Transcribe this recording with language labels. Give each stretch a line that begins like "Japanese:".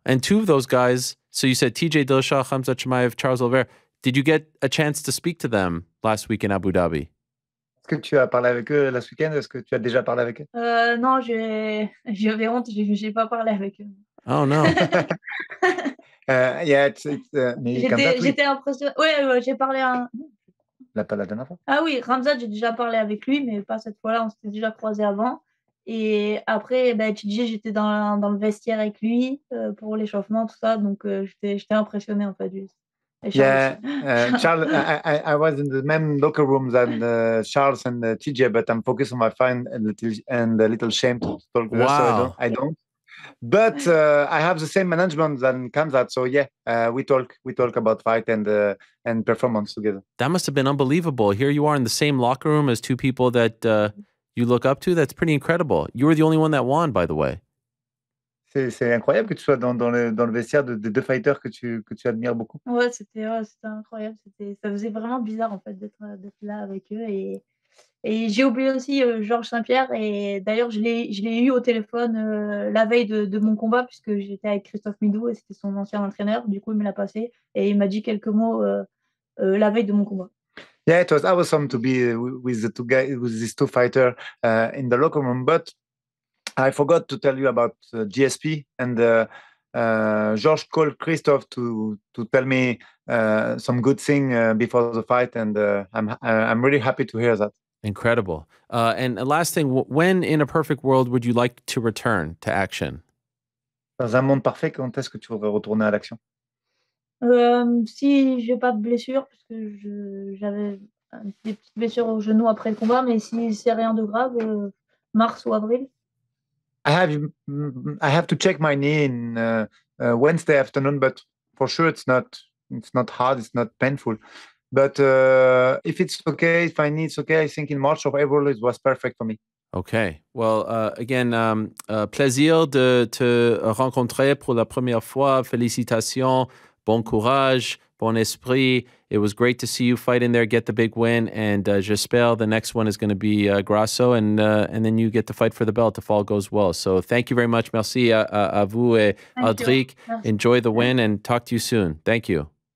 English: And two of those guys, so you said TJ Dillashaw, Ramzad Chimaev, Charles Oliveira. Did you get a chance to speak to them last week in Abu Dhabi?
French: Est-ce que tu as parlé avec eux la week-end? Est-ce que tu as déjà parlé avec eux? Non, j'avais honte, j'ai pas parlé avec eux. Oh non. J'étais impressionné. Oui, j'ai parlé à. La pas la dernière fois. Ah oui, Ramzad, j'ai déjà parlé avec lui, mais pas cette fois-là. On s'était déjà croisé avant. Et après, TJ, j'étais dans le vestiaire avec lui pour l'échauffement, tout ça. Donc j'étais impressionné en fait.
English: Charles, I was in the same locker room than Charles and TJ, but I'm focused on my fine and a little shame to talk to her, so I don't. But I have the same management than Kamzat, so yeah, we talk about fight and performance together. That must have been unbelievable. Here you are in the same locker room as two people that you look up to. That's pretty incredible. You were the only one that won, by the way.
French: C'est incroyable que tu sois dans le vestiaire de deux fighters que tu admires beaucoup. Ouais, c'était incroyable. Ça faisait vraiment bizarre en fait d'être là avec eux. Et j'ai oublié aussi Georges Saint-Pierre. Et d'ailleurs, je l'ai eu au téléphone la veille de mon combat puisque j'étais avec Christophe Midou et c'était son ancien entraîneur. Du coup, il me l'a passé et il m'a dit quelques mots la veille de mon combat.
English: Yeah, it was awesome to be with the two guys, with these two fighters in the locker room, but I forgot to tell you about GSP and George called Christophe to tell me some good thing before the fight, and I'm really happy to hear that. Incredible. And last thing, when in a perfect world would you like to return to action?
French: Dans un monde parfait, quand est-ce que tu voudrais retourner à l'action? Si j'ai pas de blessure, parce que j'avais des petites blessures au genou après le combat, mais si c'est rien de grave, mars ou avril.
English: I have to check my knee in Wednesday afternoon, but for sure it's not hard, it's not painful. But if it's okay, if my knee is okay, I think in March or April it was perfect for me. Okay. Well, again,
French: plaisir de te rencontrer pour la première fois. Félicitations. Bon courage. Bon esprit.
English: It was great to see you fight in there, get the big win. And
French: j'espère
English: the next one is going to be Grasso. And then you get to fight for the belt if all goes well. So thank you very much.
French: Merci à vous
English: et Aldric. Enjoy the win and talk to you soon. Thank you.